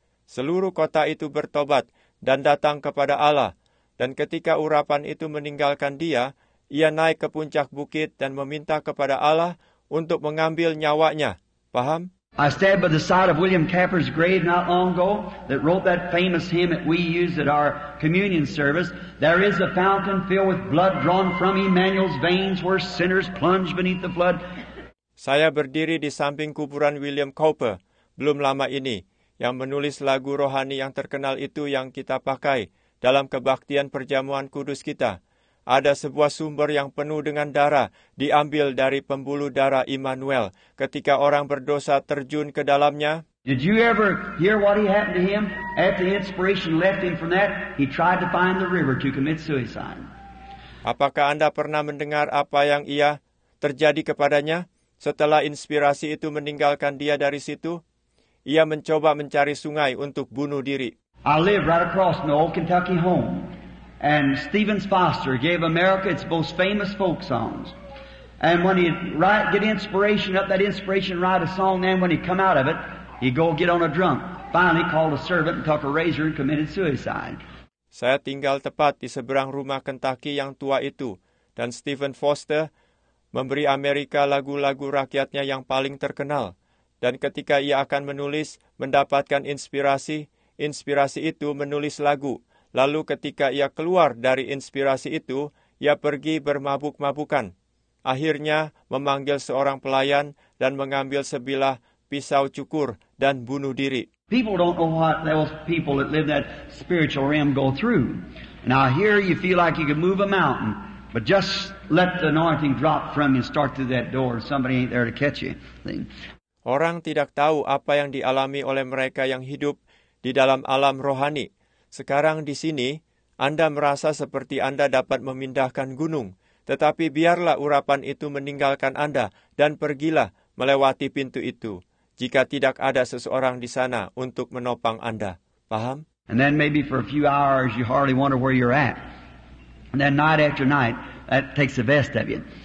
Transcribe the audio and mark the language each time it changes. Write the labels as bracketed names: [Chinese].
[Indonesian] Seluruh kota itu bertobat dan datang kepada Allah, dan ketika urapan itu meninggalkan dia, ia naik ke puncak bukit dan meminta kepada Allah untuk mengambil nyawanya. Paham? [English] I stand by the side of William Capper's grave not long ago that wrote that famous hymn that we use at our communion service. There is a fountain filled with blood drawn from Emmanuel's veins where sinners plunge beneath the flood. [Indonesian] Saya berdiri di samping kuburan William Cowper belum lama ini, yang menulis lagu rohani yang terkenal itu yang kita pakai dalam kebaktian perjamuan kudus kita. Ada sebuah sumber yang penuh dengan darah diambil dari pembuluh darah Immanuel ketika orang berdosa terjun ke dalamnya. [English] Did you ever hear what happened to him? At the inspiration left him from that, he tried to find the river to commit suicide. [Indonesian] Apakah Anda pernah mendengar apa yang ia terjadi kepadanya setelah inspirasi itu meninggalkan dia dari situ? Ia mencoba mencari sungai untuk bunuh diri. [English] I live right across from the old Kentucky home. And Stephen Foster gave America its most famous folk songs. And when he'd write, get inspiration up, that inspiration, write a song, then when he'd come out of it, he'd go get on a drunk. Finally called a servant and took a razor and committed suicide. [Indonesian] Saya tinggal tepat di seberang rumah Kentucky yang tua itu. Dan Stephen Foster memberi Amerika lagu-lagu rakyatnya yang paling terkenal. Dan ketika ia akan menulis, mendapatkan inspirasi, inspirasi itu menulis lagu. Lalu ketika ia keluar dari inspirasi itu, ia pergi bermabuk-mabukan. Akhirnya memanggil seorang pelayan dan mengambil sebilah pisau cukur, dan bunuh diri. [English] People don't know what those people that live that spiritual realm go through. Now here you feel like you can move a mountain, but just let the anointing drop from you and start through that door. Somebody ain't there to catch you. [Indonesian] Orang tidak tahu apa yang dialami oleh mereka yang hidup di dalam alam rohani. Sekarang di sini, Anda merasa seperti Anda dapat memindahkan gunung. Tetapi biarlah urapan itu meninggalkan Anda dan pergilah melewati pintu itu. Jika tidak ada seseorang di sana untuk menopang Anda. Paham? [English] And then maybe for a few hours you hardly wonder where you're at. And then night after night, that takes the best of you.